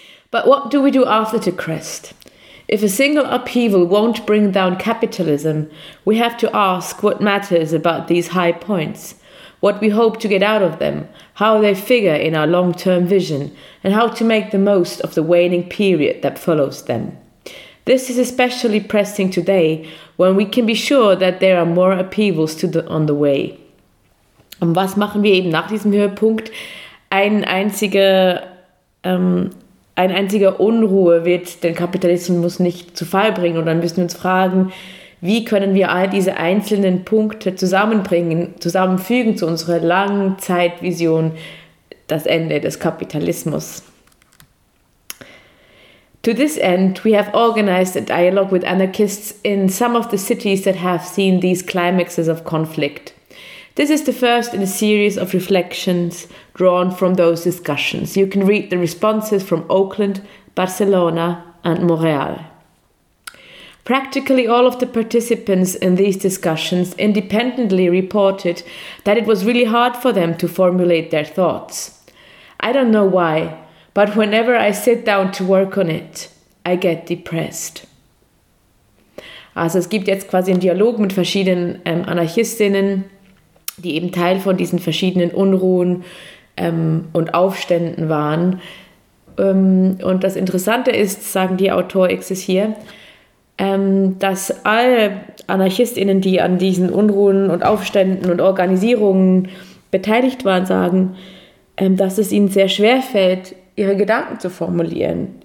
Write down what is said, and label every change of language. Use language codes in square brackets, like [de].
[en] But what do we do after the crest? If a single upheaval won't bring down capitalism, we have to ask what matters about these high points, what we hope to get out of them, how they figure in our long-term vision, and how to make the most of the waning period that follows them. This is especially pressing today when we can be sure that there are more upheavals on the way. [de] Und was machen wir eben nach diesem Höhepunkt? Ein einziger Unruhe wird den Kapitalismus nicht zu Fall bringen. Und dann müssen wir uns fragen, wie können wir all diese einzelnen Punkte zusammenfügen zu unserer Langzeitvision, das Ende des Kapitalismus. [en] To this end, we have organized a dialogue with anarchists in some of the cities that have seen these climaxes of conflict. This is the first in a series of reflections drawn from those discussions. You can read the responses from Oakland, Barcelona, and Montreal. Practically all of the participants in these discussions independently reported that it was really hard for them to formulate their thoughts. I don't know why, but whenever I sit down to work on it, I get depressed. [de] Also es gibt jetzt quasi einen Dialog mit verschiedenen Anarchistinnen, die eben Teil von diesen verschiedenen Unruhen und Aufständen waren. Und das Interessante ist, sagen die AutorXs hier, dass alle AnarchistInnen, die an diesen Unruhen und Aufständen und Organisierungen beteiligt waren, sagen, dass es ihnen sehr schwer fällt, ihre Gedanken zu formulieren.